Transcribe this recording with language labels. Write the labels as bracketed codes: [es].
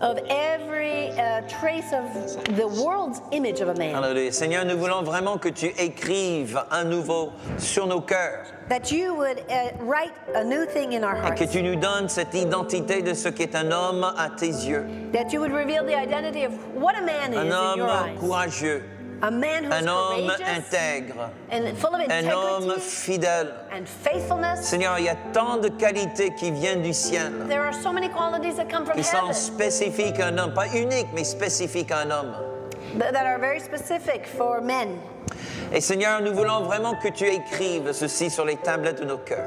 [en] Of every trace of the world's image of a man. Alléluia. [fr] Seigneur, nous voulons vraiment que tu écrives à nouveau sur nos cœurs. [en] That you would write a new thing in our hearts. [fr] Et que tu nous donnes cette identité de ce qu'est un homme à tes yeux. [en] That you would reveal the identity of what a man is in your eyes. [fr] Un homme courageux. [en] A man who's [fr] un homme [en] courageous [fr] intègre. [en] And full of integrity. [fr] Un homme fidèle. [en] And faithfulness. [fr] Seigneur, il y a tant de qualités qui viennent du ciel. [en] There are so many qualities that come from heaven. [fr] Qui sont spécifiques à un homme, pas uniques, mais spécifiques à un homme. [en] That are very specific for men. [fr] Et Seigneur, nous voulons vraiment que tu écrives ceci sur les tablettes de nos cœurs.